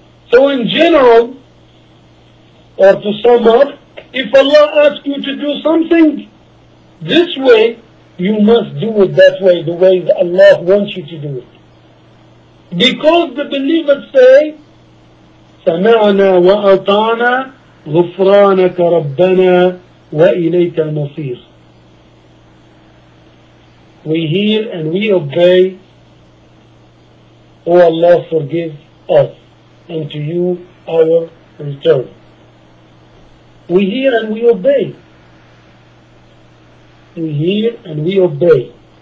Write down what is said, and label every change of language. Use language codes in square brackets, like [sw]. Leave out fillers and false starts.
[en] So in general, or to sum up, if Allah asks you to do something this way, you must do it that way, the way that Allah wants you to do it. Because the believers say, [ar] سَمَعْنَا وَأَطَعْنَا غُفْرَانَكَ رَبَّنَا وَإِلَيْكَ الْمَصِيرُ. [en] We hear and we obey, O Allah, forgive us, and to you our return. We hear and we obey. We hear and we obey.